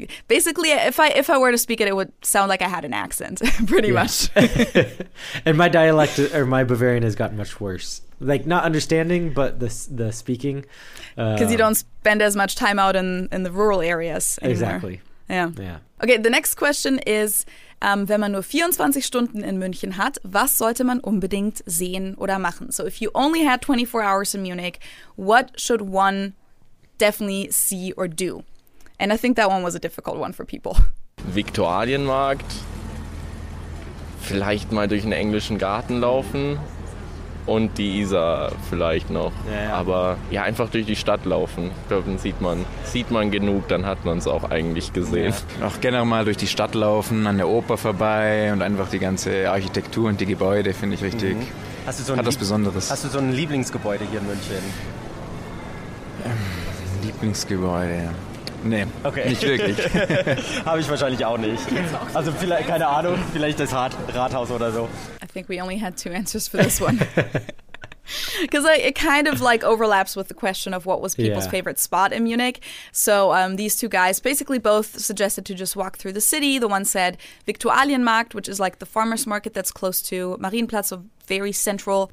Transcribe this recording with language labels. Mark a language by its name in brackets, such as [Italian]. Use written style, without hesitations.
[English] Basically, if I were to speak it, it would sound like I had an accent, pretty much. And my dialect or my Bavarian has gotten much worse. Like, not understanding, but the speaking. Because you don't spend as much time out in the rural areas anymore. Exactly. Yeah. Okay, the next question is, [German] wenn man nur 24 Stunden in München hat, was sollte man unbedingt sehen oder machen? [English] So if you only had 24 hours in Munich, what should one definitely see or do? And I think that one was a difficult one for people. [German] Viktualienmarkt, vielleicht mal durch einen englischen Garten laufen, und die Isar vielleicht noch. Ja, ja. Aber ja, einfach durch die Stadt laufen. Dann sieht man genug, dann hat man es auch eigentlich gesehen. Ja. Auch generell mal durch die Stadt laufen, an der Oper vorbei und einfach die ganze Architektur und die Gebäude finde ich richtig. Mhm. Hast du so ein Besonderes. Hast du so ein Lieblingsgebäude hier in München? Lieblingsgebäude. Nee, okay. Nicht wirklich. Habe ich wahrscheinlich auch nicht. Also vielleicht, keine Ahnung, vielleicht das Rathaus oder so. [English] I think we only had two answers for this one. Because it kind of like overlaps with the question of what was people's favorite spot in Munich. So these two guys basically both suggested to just walk through the city. The one said Viktualienmarkt, which is like the farmer's market that's close to Marienplatz, very central.